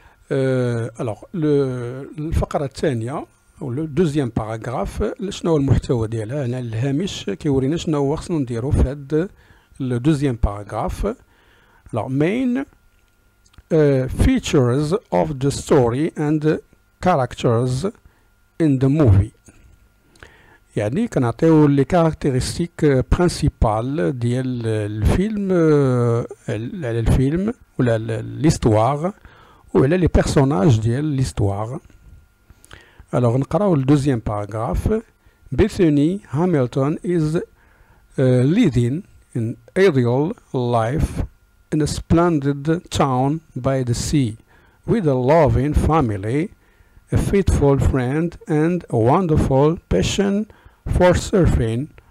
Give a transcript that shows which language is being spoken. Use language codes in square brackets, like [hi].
[ar] Alors le فقرة الثانية [fr] ou le deuxième paragraphe, [ar] شنو هو المحتوى ديالها؟ يعني الهامش كيورينا شنو هو خصنا نديرو في هاد [fr] le deuxième paragraphe. [en] Alors main features of the story and characters in the movie. [ar] يعني كنعطيو [fr] لي كاركتيريستيك برينسيبال [ar] ديال الفيلم على الفيلم ولا ليستوار ولا لي بيرسوناج ديال ليستوار. الوغ نقراو [fr] الدوزيام باراغراف. [en] Bethany Hamilton is leading an aerial life in a splendid town by the sea, with a loving family, a faithful friend, and a wonderful passion for surfing.